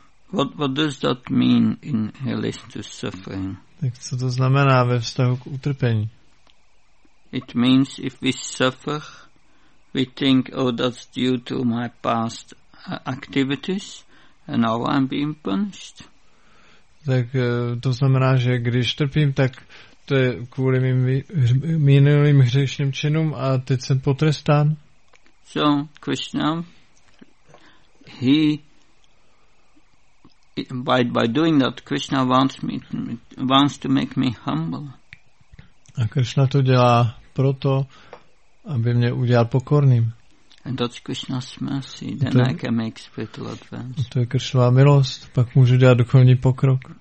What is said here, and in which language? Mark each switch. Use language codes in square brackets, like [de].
[en] What does that mean in relation to suffering? [cs] Tak co to znamená ve vztahu k utrpení? [en] It means if we suffer, we think, that's due to my past activities, and now I'm being punished. [cs] Tak to znamená, že když trpím, tak to je kvůli mým minulým hřešným činům a teď jsem potrestán. [en] So Krishna, he. By doing that, Krishna wants to make me humble. [cs] A Krishna to dělá proto, aby mě udělal pokorným. [en] And that's Krishna's mercy. Then I can make spiritual advance. [cs] To je Krishnova milost, pak můžu dělat duchovní pokrok.